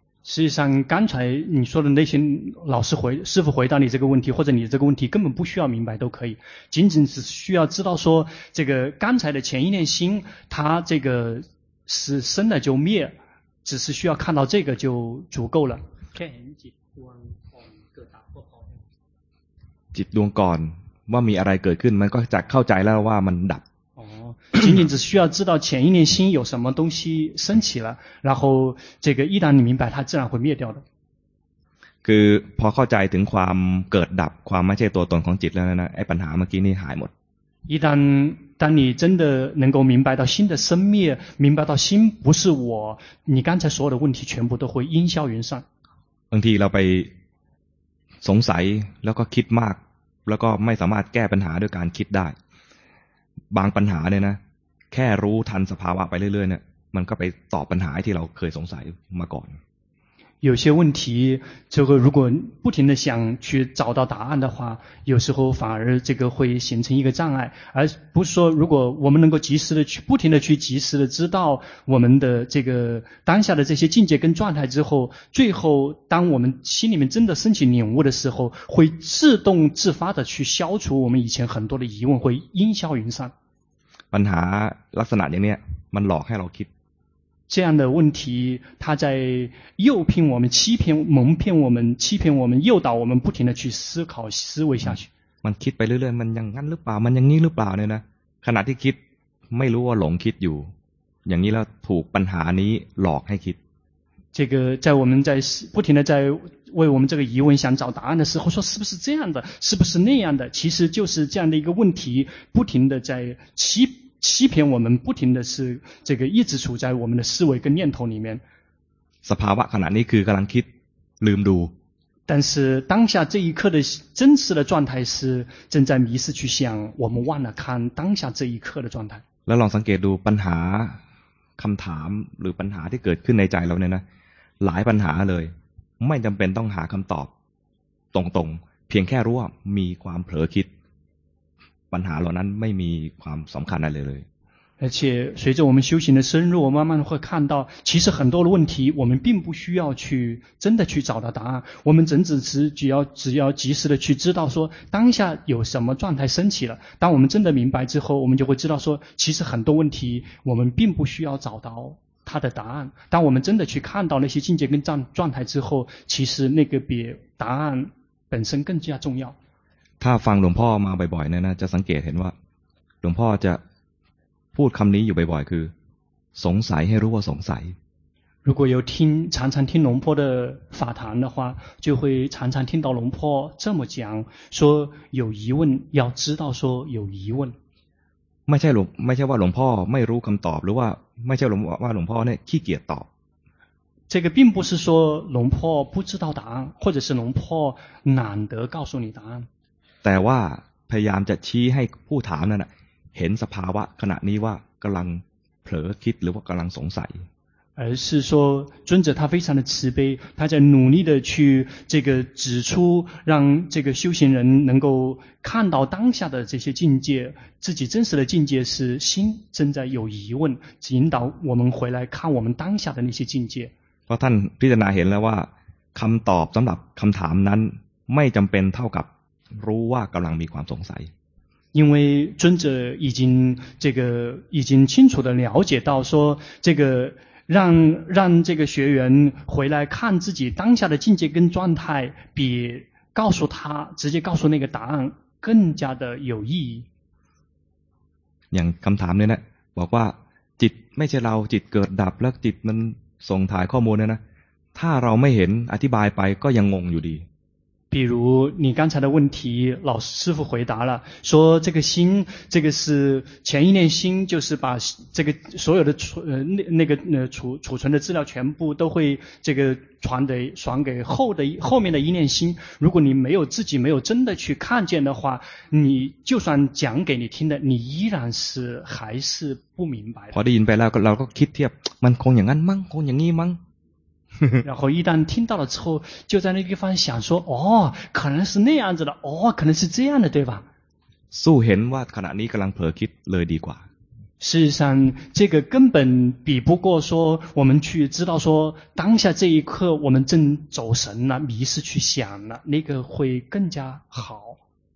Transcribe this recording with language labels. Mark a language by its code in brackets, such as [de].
[zh] 事实上刚才你说的那些师父回答你这个问题或者你这个问题根本不需要明白都可以仅仅只需要知道说这个刚才的前一念心它这个是生了就灭只是需要看到这个就足够了 [th] จิตดวงก่อนว่ามีอะไรเกิดขึ้นมันก็จะเข้าใจแล้วว่ามันดับ [zh] 仅仅只需要知道前一念心有什么东西升起了然后这个一旦你明白它自然会灭掉的 [th] คือพอเข้าใจถึงความเกิดดับความไม่ใช่ตัวตนของจิตแล้วนะไอ้ปัญหาเมื่อกี้นี่หายหมด [zh] 一旦当你真的能够明白到心的生灭明白到心不是我你刚才所有的问题全部都会烟消云散 [th] บางทีเราไปสงสัยแล้วก็คิดมากแล้วก็ไม่สามารถแก้ปัญหาด้วยการคิดได้บางปัญหาเนี่ยนะแค่รู้ทันสภาวะไปเรื่อยๆเนี่ยมันก็ไปตอบปัญหาที่เราเคยสงสัยมาก่อน [zh] 有些问题这个如果不停的想去找到答案的话有时候反而这个会形成一个障碍而不是说如果我们能够及时的去不停的去及时的知道我们的这个当下的这些境界跟状态之后最后当我们心里面真的升起领悟的时候会自动自发的去消除我们以前很多的疑问会烟消云散 [th] ปัญหาลักษณะอย่างเนี้ยมันหลอกให้เราคิด [zh] 这样的问题他在诱骗我们欺骗蒙骗我们欺骗我们诱导我们不停的去思考思维下去 [th] มันคิดไปเรื่อยๆมันอย่างนั้นหรือเปล่ามันอย่างนี้หรือเปล่าเนี่ยนะขณะที่คิดไม่รู้ว่าหลงคิดอยู่อย่างนี้แล้วถูกปัญหานี้หลอกให้คิด [zh] 这个在我们在不停的在为我们这个疑问想找答案的时候说是不是这样的是不是那样的其实就是这样的一个问题不停的在欺骗我们不停的是这个一直处在我们的思维跟念头里面 [th] สภาวะขณะนี้คือกำลังคิดลืมดู [zh] 但是当下这一刻的真实的状态是正在迷失去想我们忘了看当下这一刻的状态 [th] แล้วลองสังเกตดูปัญหาคำถามหรือปัญหาที่เกิดขึ้นในใจเราเนี่ยนะหลายปัญหาเลยไม่จำเป็นต้องหาคำตอบตรงๆเพียงแค่รู้ว่ามีความเผลอคิดปัญหาเหล่านั้นไม่มีความสำคัญอะไรเลย [zh] 而且随着我们修行的深入我慢慢会看到其实很多的问题我们并不需要去真的去找到答案我们只要及时的去知道说当下有什么状态升起了当我们真的明白之后我们就会知道说其实很多问题我们并不需要找到它的答案当我们真的去看到那些境界跟状态之后其实那个比答案本身更加重要 [th] ถ้าฟังหลวงพ่อมาบ่อยๆเนี่ยนะจะสังเกตเห็นว่าหลวงพ่อจะพูดคำนี้อยู่บ่อยๆคือสงสัยให้รู้ว่าสงสัย [zh] 如果有听常常听龙坡的法坛的话就会常常听到龙坡这么讲说有疑问要知道说有疑问 [th] ไม่ใช่ว่าหลวงพ่อไม่รู้คำตอบหรือว่าไม่ใช่ว่าหลวงพ่อเนี่ยขี้เกียจตอบ [zh] 这个并不是说龙婆不知道答案，或者是龙婆懒得告诉你答案。 [th] แต่ว่าพยายามจะชี้ให้ผู้ถามนั่นน่ะเห็นสภาวะขณะนี้ว่ากำลังเผลอคิดหรือว่ากำลังสงสัย。 [zh] 而是说尊者他非常的慈悲，他在努力的去这个指出，让这个修行人能够看到当下的这些境界，自己真实的境界是心正在有疑问，引导我们回来看我们当下的那些境界。 [th] เพราะท่านพิจารณาเห็นแล้วว่าคำตอบสำหรับคำถามนั้นไม่จำเป็นเท่ากับรู้ว่ากำลังมีความสงสัย。 [zh] 因为尊者已经这个已经清楚的了解到说这个。让这个学员回来看自己当下的境界跟状态，比告诉他直接告诉那个答案更加的有意义。 [th] อย่างคำถามเนี่ยนะบอกว่าจิตไม่ใช่เราจิตเกิดดับแล้วจิตมันส่งถ่ายข้อมูลเนี่ยนะถ้าเราไม่เห็นอธิบายไปก็ยังงงอยู่ดี。 [zh] 比如你刚才的问题，老师傅回答了，说这个心，这个是前一念心，就是把这个所有的储存的资料全部都会这个传给后面的一念心。如果你没有自己没有真的去看见的话，你就算讲给你听的，你依然是还是不明白。 [th] พอได้ยินไปแล้วก็เราก็คิดเทียบมันคงอย่างนั้นมั้งคงอย่างนี้มั้ง。 [zh] 然后一旦听到了之后，就在那地方想说：“哦，可能是那样子的，哦，可能是这样的，对吧？” 素贤哇， [th] ขณะนี้กำลังเผลอคิดเลยดีกว่า。 [zh] 事实上，这个根本比不过说我们去知道说当下这一刻我们正走神了、迷失去想了，那个会更加好。